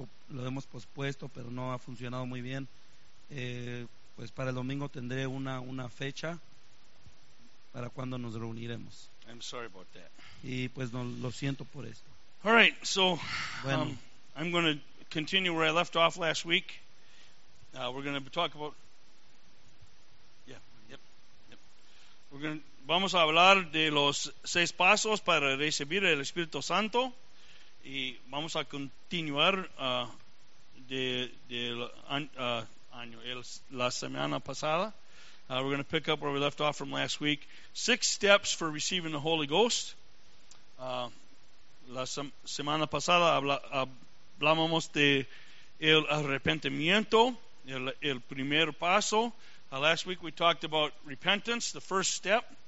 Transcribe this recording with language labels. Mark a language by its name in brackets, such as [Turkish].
[Spanish] Lo hemos pospuesto, pero no ha funcionado muy bien. Pues para el domingo tendré una fecha para cuando nos reuniremos. [English] I'm sorry about that. [Spanish] Y pues no, lo siento por esto. [English] All right, so bueno. I'm going to continue where I left off last week. We're going to talk about. [Spanish] Vamos a hablar de los seis pasos para recibir el Espíritu Santo y vamos a continuar la semana pasada. [English] We're going to pick up where we left off from last week. Six steps for receiving the Holy Ghost. [Spanish] Semana pasada hablamos de el arrepentimiento, el primer paso. [English] Last week we talked about repentance, the first step.